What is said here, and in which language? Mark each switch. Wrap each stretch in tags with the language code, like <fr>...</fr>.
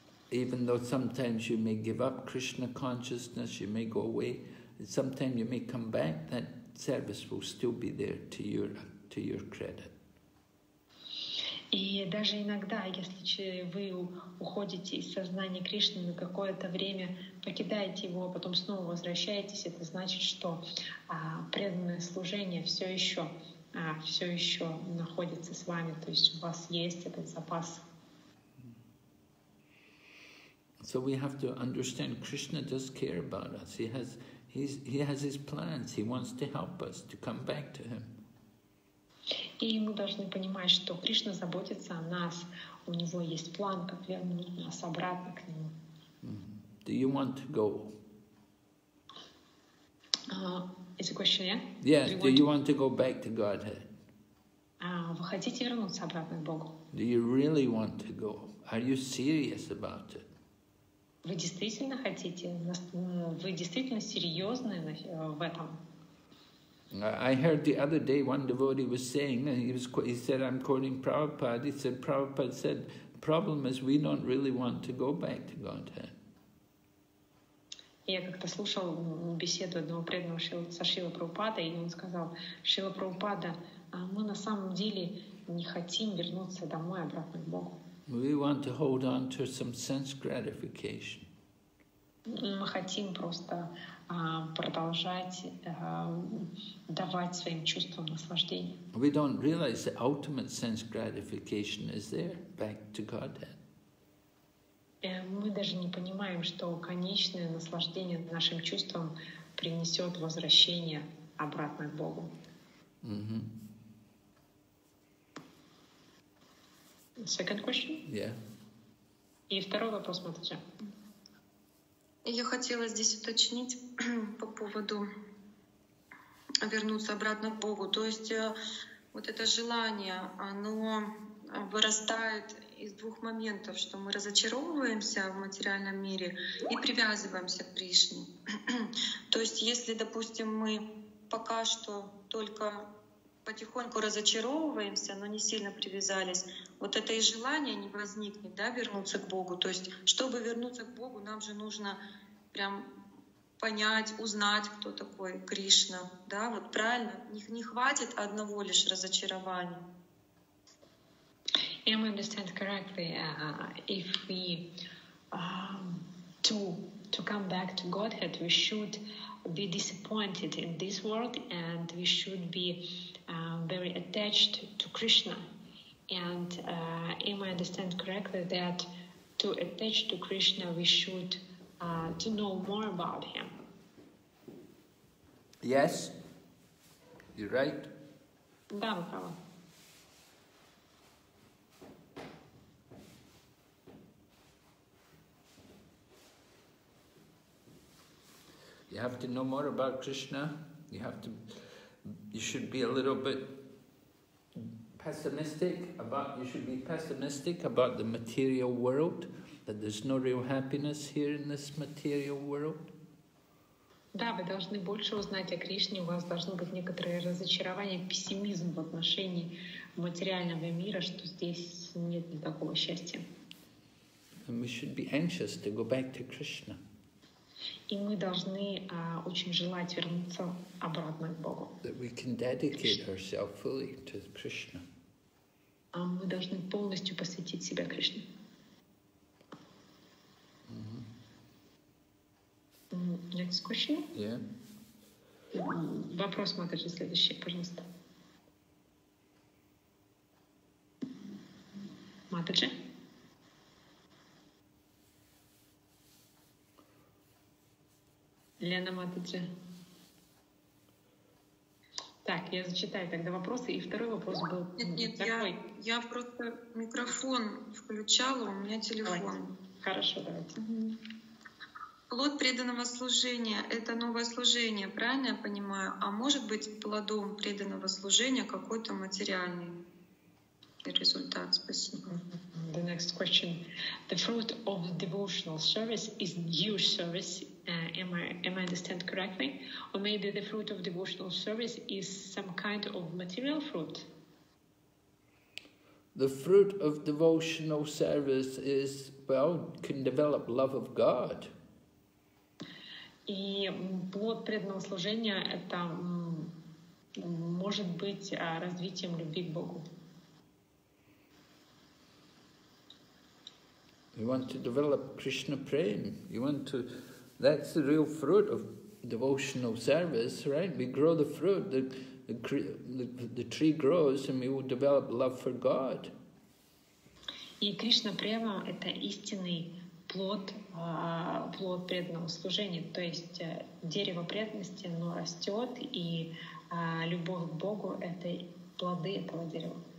<en>Even though sometimes you may give up Krishna consciousness, you may go away, sometimes you may come back, that service will still be there to your credit.</en> <ru>И даже иногда, если вы уходите из сознания Кришны на какое-то время, покидаете его, а потом снова возвращаетесь, это значит, что преданное служение все еще находится с вами, то есть у вас есть этот запас.</ru> <en>So we have to understand Krishna does care about us. He has his plans. He wants to help us to come back to him.</en> <ru>И мы должны понимать, что Кришна заботится о нас. У него есть план, как вернуть нас обратно к нему.</ru> <en>Do you want to go? Is the question, yeah? Yes. Do you want to go back to Godhead?</en> <ru>Вы хотите вернуться обратно к Богу?</ru> <en>Do you really want to go? Are you serious about it?</en> <ru>Вы действительно хотите? Вы действительно серьезны в этом?</ru> <en>I heard the other day one devotee was saying, he said, I'm quoting Prabhupada, he said, Prabhupada said, problem is we don't really want to go back to Godhead.</en> <ru>Я как-то слушал беседу одного преданного со Шрилой Прабхупадой, и он сказал, Шрила Прабхупада, а мы на самом деле не хотим вернуться домой, обратно к Богу.</ru> <en>We want to hold on to some sense gratification.</en> <ru>Мы хотим просто продолжать давать своим чувствам наслаждение.</ru> <en>We don't realize the ultimate sense gratification is there, back to Godhead.</en> <ru>Мы даже не понимаем, что конечное наслаждение нашим чувством принесет возвращение обратно к Богу. Mm-hmm.</ru> <en>Second question? Yeah.</en> <ru>И второй вопрос, Матаджа. Я хотела здесь уточнить по поводу вернуться обратно к Богу. То есть вот это желание, оно вырастает из двух моментов, что мы разочаровываемся в материальном мире и привязываемся к Кришне. То есть, если, допустим, мы пока что только потихоньку разочаровываемся, но не сильно привязались, вот это и желание не возникнет, да, вернуться к Богу. То есть, чтобы вернуться к Богу, нам же нужно прям понять, узнать, кто такой Кришна, да, вот правильно? Не хватит одного лишь разочарования.</ru> <en>Am I understand correctly? If we to come back to Godhead, we should be disappointed in this world, and we should be very attached to Krishna. And am I understand correctly that to attach to Krishna, we should to know more about him? Yes, you're right.</en> <ru>Да, вы правы.</ru> <en>You have to know more about Krishna. You should be pessimistic about the material world, that there's no real happiness here in this material world.</en> <ru>Да, вы должны больше узнать о Кришне. У вас должно быть некоторое разочарование, пессимизм в отношении материального мира, что здесь нет никакого счастья.</ru> <en>And we should be anxious to go back to Krishna.</en> <ru>И мы должны очень желать вернуться обратно к Богу.</ru> <en>That we can dedicate ourselves fully to Krishna.</en> <ru>А мы должны полностью посвятить себя Кришне. Mm-hmm.</ru> <en>Next question? Yeah.</en> <ru>Вопрос, Матаджи, следующий, пожалуйста. Матаджи? Лена Матаджи. Так, я зачитаю тогда вопросы. И второй вопрос был такой. Нет, я просто микрофон включала, у меня телефон. Давайте. Хорошо, давайте. Угу. Плод преданного служения – это новое служение, правильно я понимаю? А может быть плодом преданного служения какой-то материальный результат? Спасибо.</ru> <en>The next question. The fruit of devotional service is new service. Am I understand correctly? Or maybe the fruit of devotional service is some kind of material fruit? The fruit of devotional service is, well, can develop love of God.</en> <ru>И плод преданного служения – это может быть развитием любви к Богу.</ru> <en>You want to develop Krishna prema. You want to. That's the real fruit of devotional service, right? We grow the fruit. The tree grows, and we will develop love for God.</en> <ru>И Кришна према – это истинный плод плод преданного служения. То есть дерево преданности, оно растет, и любовь к Богу – это плоды этого дерева.</ru>